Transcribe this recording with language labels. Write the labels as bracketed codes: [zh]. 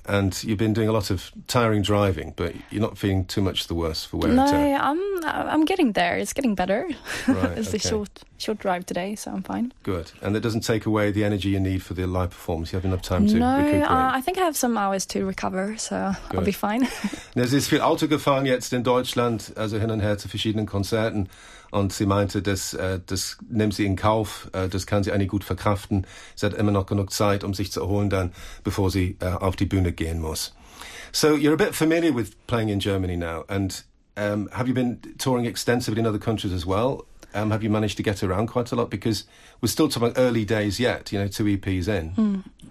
[en] And you've been doing a lot of tiring driving, but you're not feeling too much the worse for wear and tear. No, I'm getting there. It's getting better. Right, it's okay. A short drive today, so I'm fine. Good. And it doesn't take away the energy you need for the live performance. You have enough time to recuperate. No, I think I have some hours to recover, so good. I'll be fine. [de] Now, sie ist viel Auto gefahren jetzt in Deutschland, also hin und her zu verschiedenen Konzerten. Und sie meinte, das nimmt sie in Kauf, das kann sie eigentlich gut verkraften. Sie hat immer noch genug Zeit, um sich zu erholen dann, bevor sie auf die Bühne gehen muss. [en] So, you're a bit familiar with playing in Germany now. And have you been touring extensively in other countries as well? Have you managed to get around quite a lot? Because we're still talking early days yet, you know, 2 EPs in.